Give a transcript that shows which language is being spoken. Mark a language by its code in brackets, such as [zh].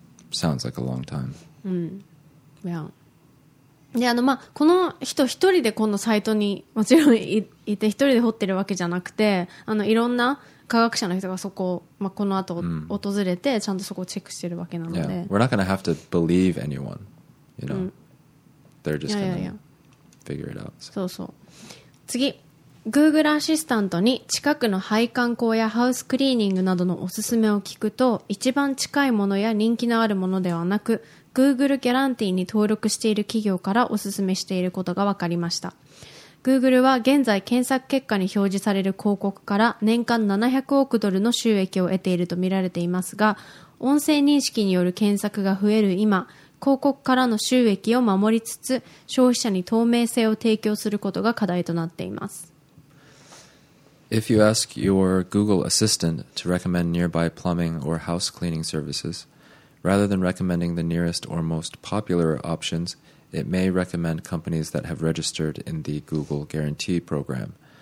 [en] Sounds like a long time. Yeah. [ja] で、あの、まあ、この人一人でこのサイトにもちろんいて一人で掘ってるわけじゃなくて、あのいろんな科学者の人がそこ、まあ、この後、訪れてちゃんとそこをチェックしてるわけなので、 [en] yeah. We're not gonna have to believe anyone, you know. They're just gonna figure it out. [ja] So. そうそう。次、Google アシスタントに近くの配管工やハウスクリーニングなどのおすすめを聞くと一番近いものや人気のあるものではなく Google ギャランティーに登録している企業からおすすめしていることが分かりました。 Google は現在検索結果に表示される広告から年間700億ドルの収益を得ているとみられていますが音声認識による検索が増える今広告からの収益を守りつつ消費者に透明性を提供することが課題となっています。 [en] If you ask your Google Assistant to recommend nearby plumbing or house cleaning services, rather than recommending the nearest or most popular options, it may recommend companies that have registered in the Google Guarantee Program.